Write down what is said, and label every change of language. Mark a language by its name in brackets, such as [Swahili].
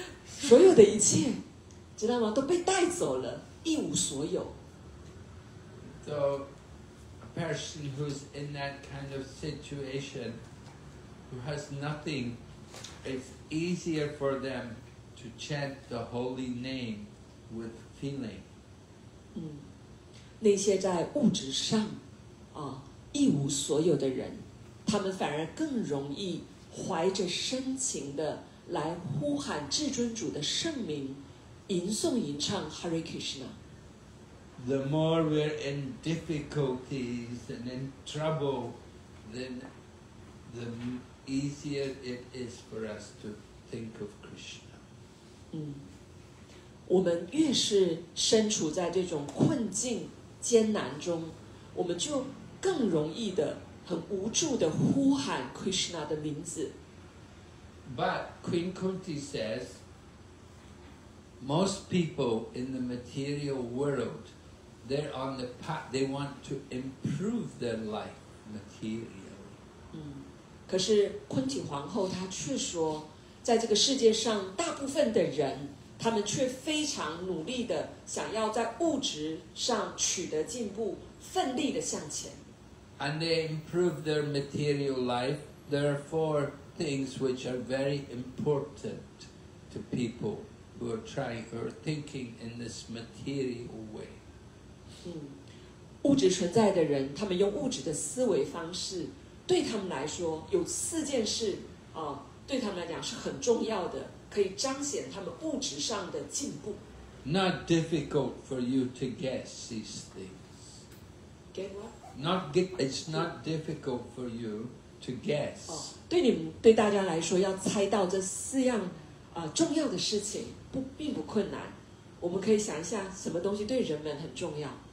[Chinese] 所有的一切 知道吗 都被带走了 一无所有 [English] So, a person who's in that kind of situation, who has nothing, it's easier for them to chant the holy name with feeling. [Chinese] 嗯，那些在物质上，啊，一无所有的人，他们反而更容易怀着深情的来呼喊至尊主的圣名，吟诵吟唱 Hare Krishna。 [English] The more we're in difficulties and in trouble, then the easier it is for us to think of Krishna. [Chinese] 嗯，我们越是身处在这种困境艰难中，我们就更容易的、很无助的呼喊 Krishna 的名字。 [English] But Queen Kunti says, most people in the material world. They're on the path. They want to improve their life materially. [Chinese] 嗯，可是昆体皇后她却说，在这个世界上，大部分的人，他们却非常努力的想要在物质上取得进步，奋力的向前。 [English] And they improve their material life. There are four things which are very important to people who are trying or thinking in this material way. [Chinese] 嗯，物质存在的人，他们用物质的思维方式，对他们来说有四件事啊，对他们来讲是很重要的，可以彰显他们物质上的进步。 [English] Not difficult for you to get these things. Get what? It's not difficult for you to guess.、 [Chinese] 哦、对你们对大家来说，要猜到这四样啊、重要的事情，并不困难。我们可以想一下，什么东西对人们很重要？